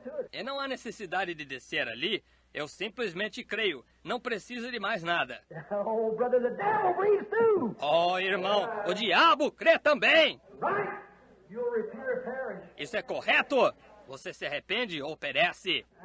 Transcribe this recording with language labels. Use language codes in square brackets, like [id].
[pt] E não há necessidade de descer ali. Eu simplesmente creio. Não preciso de mais nada. [en] Oh, brother, the devil believes too. [pt] Oh, irmão, o diabo crê também. [en] Right. You'll repent or perish. [pt] Isso é correto. Você se arrepende ou perece.